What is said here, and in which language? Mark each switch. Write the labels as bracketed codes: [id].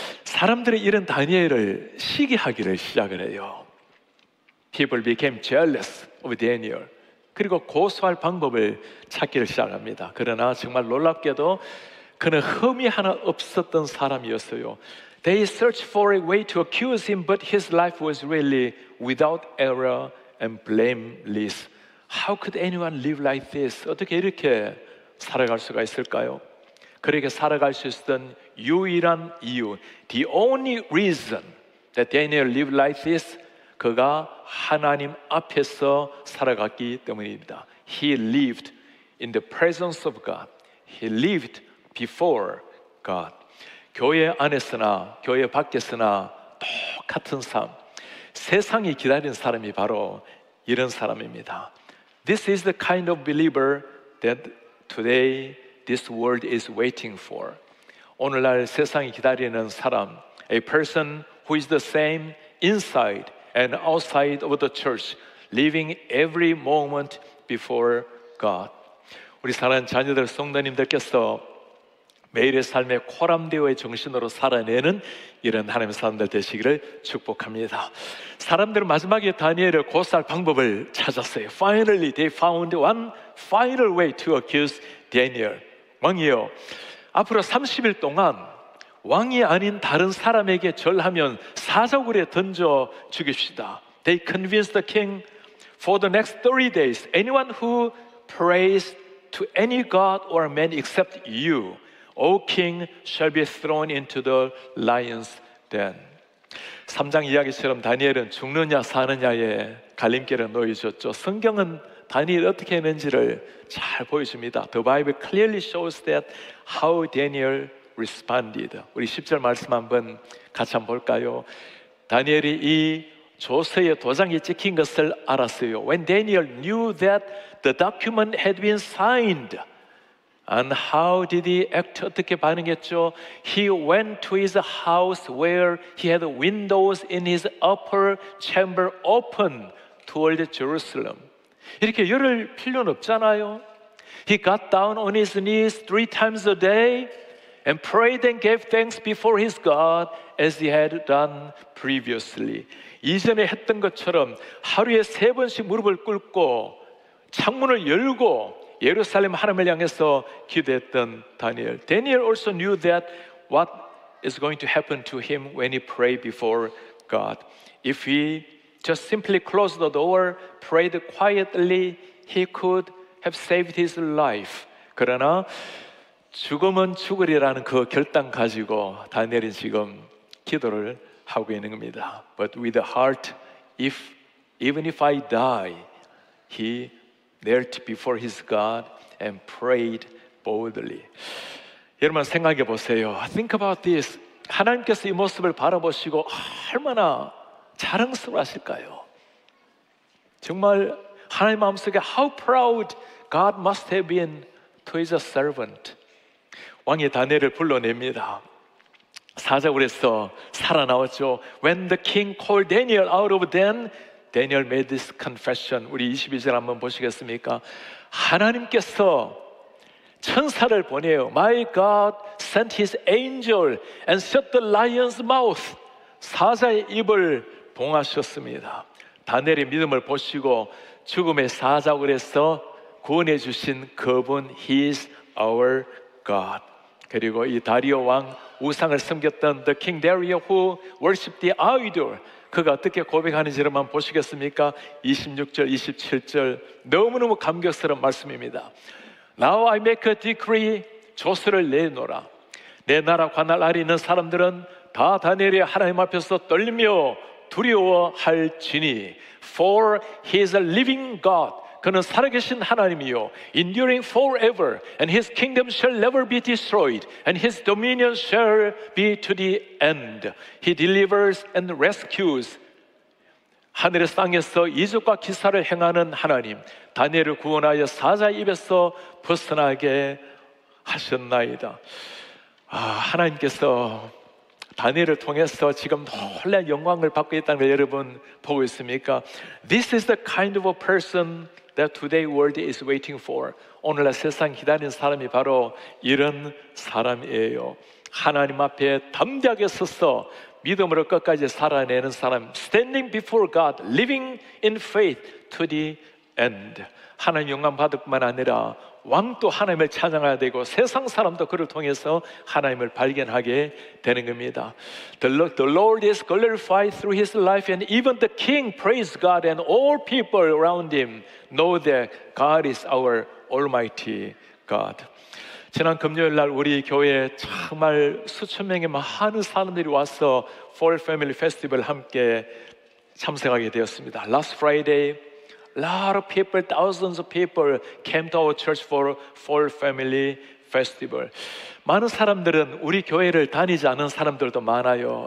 [ko] 사람들이 이런 다니엘을 시기하기를 시작을 해요. [en] People became jealous of Daniel. [ko] 그리고 고소할 방법을 찾기를 시작합니다. 그러나 정말 놀랍게도 그는 흠이 하나 없었던 사람이었어요. [en] They searched for a way to accuse him, but his life was really without error and blameless. How could anyone live like this? [ko] 어떻게 이렇게 살아갈 수가 있을까요? 그렇게 살아갈 수 있었던 유일한 이유, [en] the only reason that Daniel lived like this, [ko] 그가 하나님 앞에서 살아갔기 때문입니다. [en] He lived in the presence of God. He lived before God. [ko] 교회 안에서나 교회 밖에서나 똑같은 삶, 세상이 기다리는 사람이 바로 이런 사람입니다. [en] This is the kind of believer that today this world is waiting for. [ko] 오늘날 세상이 기다리는 사람, [en] a person who is the same inside and outside of the church, living every moment before God. [ko] 우리 사랑하는 자녀들, 성도님들께서 매일의 삶에 코람데오의 정신으로 살아내는 이런 하나님의 사람들 되시기를 축복합니다. 사람들은 마지막에 다니엘을 고소할 방법을 찾았어요. [en] Finally, they found one final way to accuse Daniel. [ko] 왕이요, 앞으로 30일 동안 왕이 아닌 다른 사람에게 절하면 사자굴에 던져 죽입시다. [en] They convinced the king for the next 30 days. Anyone who prays to any god or man except you, O king, shall be thrown into the lion's den. [ko] 3장 이야기처럼 다니엘은 죽느냐 사느냐의 갈림길에 놓이셨죠. 성경은 다니엘 어떻게 했는지를 잘 보여줍니다. [en] The Bible clearly shows that how Daniel responded. [ko] 우리 10절 말씀 한번 같이 한번 볼까요? 다니엘이 이 조서에 도장이 찍힌 것을 알았어요. [en] When Daniel knew that the document had been signed, and how did he act? [ko] 어떻게 반응했죠? [en] He went to his house where he had windows in his upper chamber open toward Jerusalem. [ko] 이렇게 열을 필요는 없잖아요. [en] He got down on his knees three times a day and prayed and gave thanks before his God as he had done previously. [ko] 이전에 했던 것처럼 하루에 세 번씩 무릎을 꿇고 창문을 열고 예루살렘 하나님을 향해서 기도했던 다니엘. [en] Daniel also knew that what is going to happen to him when he prayed before God. If he just simply closed the door, prayed quietly, he could have saved his life. [ko] 그러나 죽음은 죽으리라는 그 결단 가지고 다니엘은 지금 기도를 하고 있는 겁니다. [en] But with a heart, even if I die, he knelt before his God and prayed boldly. [ko] 여러분 생각해 보세요. [en] Think about this. [ko] 하나님께서 이 모습을 바라보시고 얼마나 자랑스러워하실까요? 정말 하나님 마음속에 [en] How proud God must have been to his servant. [ko] 왕이 다니엘을 불러냅니다. 사자굴에서 살아나왔죠. [en] When the king called Daniel out of den, Daniel made this confession. [ko] 우리 22절 한번 보시겠습니까? 하나님께서 천사를 보내요. [en] My God sent his angel and shut the lion's mouth. [ko] 사자의 입을 봉하셨습니다. 다니엘의 믿음을 보시고 죽음의 사자굴에서 구원해 주신 그분, [en] He is our God. [ko] 그리고 이 다리오 왕 우상을 섬겼던 [en] The King Dario who worshipped the idol, [ko] 그가 어떻게 고백하는지를 한번 보시겠습니까? 26절, 27절 너무너무 감격스러운 말씀입니다. [en] Now I make a decree, [ko] 조서를 내놓으라. 내 나라 관할 아래 있는 사람들은 다 다니엘의 하나님 앞에서 떨리며 두려워할지니. [en] For he is a living God, [ko] 그는 살아계신 하나님이요, [en] enduring forever, and his kingdom shall never be destroyed, and his dominion shall be to the end. He delivers and rescues. [ko] 하늘의 땅에서 이적과 기사를 행하는 하나님, 다니엘을 구원하여 사자의 입에서 벗어나게 하셨나이다. 아, 하나님께서 다니엘을 통해서 지금 놀란 영광을 받고 있다는 걸 여러분 보고 있습니까? [en] This is the kind of a person that today world is waiting for. [ko] 오늘날 세상 기다리는 사람이 바로 이런 사람이에요. 하나님 앞에 담대하게 서서 믿음으로 끝까지 살아내는 사람. [en] Standing before God, living in faith to the end. [ko] 하나님 영광 받을 뿐만 아니라 왕도 하나님을 찬양해야 되고 세상 사람도 그를 통해서 하나님을 발견하게 되는 겁니다. [en] The Lord is glorified through his life and even the king praise God and all people around him know that God is our almighty God. [ko] 지난 금요일 날 우리 교회에 정말 수천 명의 많은 사람들이 와서 Fall Family Festival 함께 참석하게 되었습니다. [en] Last Friday, lot of people, thousands of people came to our church for Fall Family Festival. [ko] 많은 사람들은 우리 교회를 다니지 않은 사람들도 많아요.